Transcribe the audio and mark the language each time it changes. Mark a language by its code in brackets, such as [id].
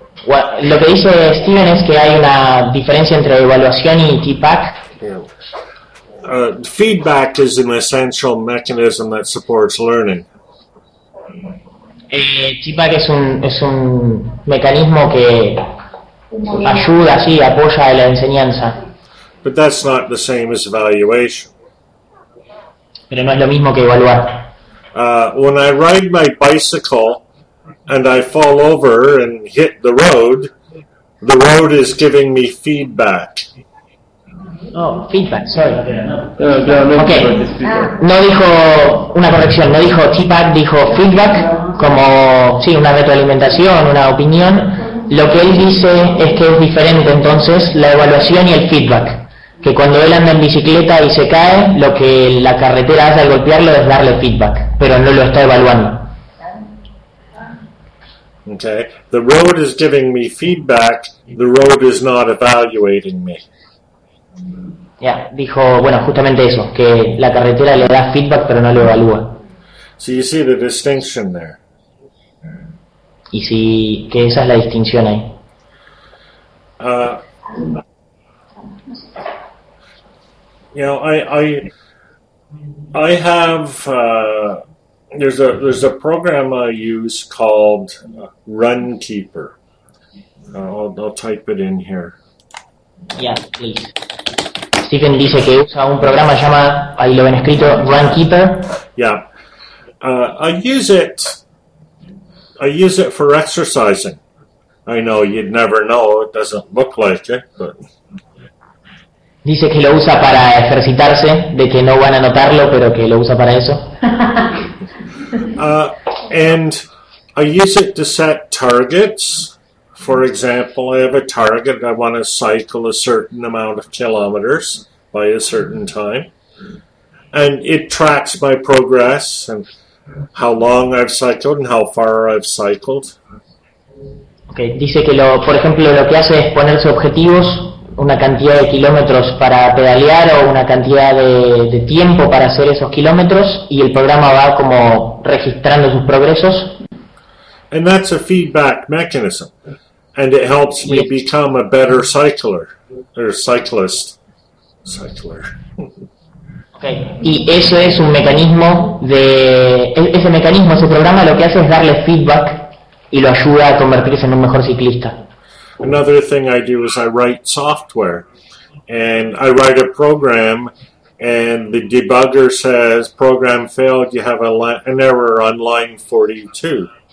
[es] Lo que dice Steven es que hay una diferencia entre evaluación y feedback. [en] Feedback is an essential mechanism that supports learning. [es] Feedback es un mecanismo que ayuda, sí, apoya la enseñanza. [en] But that's not the same as evaluation. [es] Pero no es lo mismo que evaluar. [en] When I ride my bicycle and I fall over and hit the road is giving me feedback. Oh, feedback, sorry. No, okay. [es] No dijo una corrección, no dijo feedback, dijo feedback, como sí, una retroalimentación, una opinión. Lo que él dice es que es diferente entonces la evaluación y el feedback. Que cuando él anda en bicicleta y se cae, lo que la carretera hace al golpearlo es darle feedback, pero no lo está evaluando. [en] Okay. The road is giving me feedback, the road is not evaluating me. [es] Ya, dijo, bueno, justamente eso, que la carretera le da feedback pero no lo evalúa. [en] So you see the distinction there. [es] Y si, que esa es la distinción ahí. [en] You know, I have there's a program I use called Runkeeper. I'll type it in here. Yeah, please. [es] Stephen dice que usa un programa llamado, ahí lo ven escrito, Runkeeper. [en] I use it for exercising. I know you'd never know, it doesn't look like it, but... [es] Dice que lo usa para ejercitarse, de que no van a notarlo, pero que lo usa para eso. [en] And I use it to set targets. For example, I have a target. I want to cycle a certain amount of kilometers by a certain time. And it tracks my progress and how long I've cycled and how far I've cycled. Okay. [es] Dice que, por ejemplo, lo que hace es ponerse objetivos, una cantidad de kilómetros para pedalear o una cantidad de tiempo para hacer esos kilómetros, y el programa va como registrando sus progresos. [en] And that's a feedback mechanism. And it helps me become a better cyclist. [es] Okay. Y eso es un mecanismo de... Ese mecanismo, ese programa, lo que hace es darle feedback y lo ayuda a convertirse en un mejor ciclista. [en] Another thing I do is I write software. And I write a program, and the debugger says, program failed, you have an error on line 42.